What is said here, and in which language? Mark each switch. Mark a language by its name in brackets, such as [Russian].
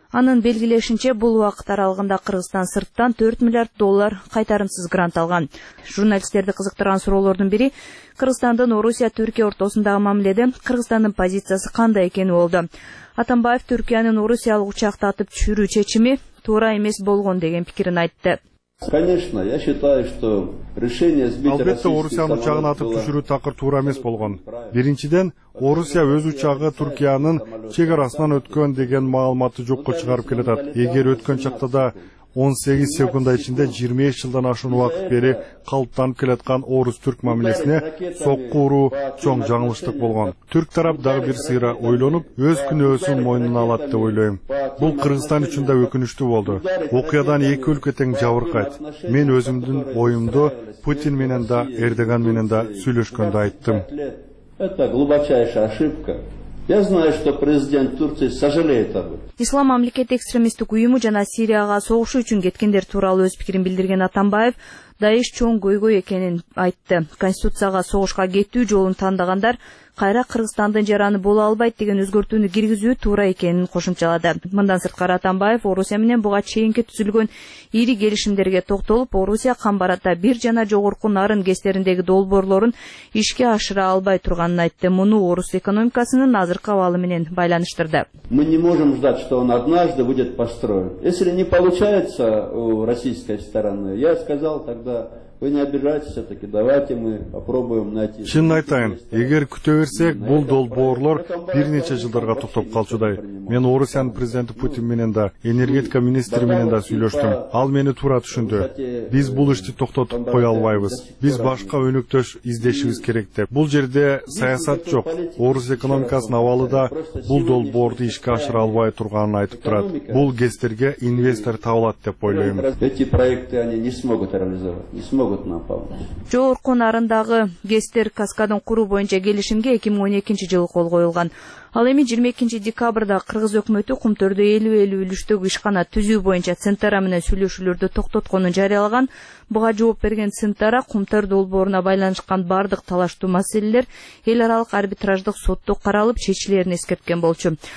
[Kyrgyz] Анын белгилешинче, бул убакыт аралыгында Кыргызстан сырттан 4 миллиард доллар кайтарымсыз грант алган. Журналисттерди кызыктырган суроолордун бири Кыргызстандын Орусия Түркия ортосундагы мамиледе Кыргызстандын позициясы кандай экени болду. Атамбаев Түркиянын Орусиялык учакты атып түшүрүү чечими туура эмес болгон деген пикирин айтты. [Russian] Конечно, я считаю, что решение сбить [Kyrgyz] Албетте Орусиянын учагын атып түшүрүү такыр туура эмес болгон. Биринчиден, Орусия өз учагы Түркиянын чек арасынан өткөн деген маалыматты жокко чыгарып келатат. Эгер өткөн чакта да 18 секунда ичинде 25 жылдан ашуун убакыт бери калыптанып келаткан орус түрк мамилесине сокку уруу чоң жаңылыштык болгон. Түрк тарап дагы бир сыйра ойлонуп, өз күнөөсүн мойнуна алат деп ойлойм. Бул Кыргызстан үчүн да өкүнүчтүү болду. Окуядан эки өлкө тең жабыркайт. Мен өзүмдүн оюмду Путин менен да Эрдоган менен да сүйлөшкөндө айттым. [Russian] Это глубочайшая ошибка. Я знаю, что президент Турции сожалеет об этом. [Kyrgyz] Ислам мамлекети экстремисттик уюму жана Сирияга согушуу үчүн кеткендер тууралуу өз пикирин билдирген Атамбаев Даиш чоң көйгөй экенин айтты. Конституцияга согушка кетүү жолун тандагандар кайра Кыргызстандын жараны боло албайт деген өзгөртүүнү киргизүү туура экенин кошумчалады. Мындан сырткары Атамбаев Орусия менен буга чейинки түзүлгөн ири келишимдерге токтолуп, Орусия кам барата бир жана жогорку нарын гестериндеги долбоорлорун ишке ашыра албай турганын айтты. Муну орус экономикасынын азыркы абалы менен байланыштырды. [Russian] Мы не можем ждать, что он однажды будет построен. Если не получается у российской стороны, я сказал тогда Вы не обижайтесь все-таки, давайте мы попробуем найти... [Kyrgyz] Чын айтайын, егер күтө берсек, бул долбоорлор бир нече жылдарга токтоп калчудай. Мен Орусиянын президенти Путин менен да, энергетика министри менен да сүйлөштүм. Ал мени туура түшүндү. Биз бул ишти токтотуп кое албайбыз. Биз башка өнүктөш издешибиз керек деп. Бул жерде саясат жок. Орус экономикасынын абалы да бул долбоорду ишке ашыра албай турганын айтып турат. Бул гестерге инвестор табылат деп ойлойм. [Russian] Эти проекты они не смогут реализовать, не смогут нам помочь. [Kyrgyz] Жогорку нарындагы гестер каскадын куруу боюнча келишимге 2012 жылы кол коюлган. Ал эми 22 декабрда кыргыз өкмөтү Кумтөрдө 50-50 үлүштөгү ишкана түзүү боюнча Центара менен сүйлөшүүлөрдү токтотконун жарыялаган. Буга жооп берген Центара Кумтөр долбооруна байланышкан бардык талаштуу маселелер эл аралык арбитраждык сотто каралып чечилерин эскерткен болчу.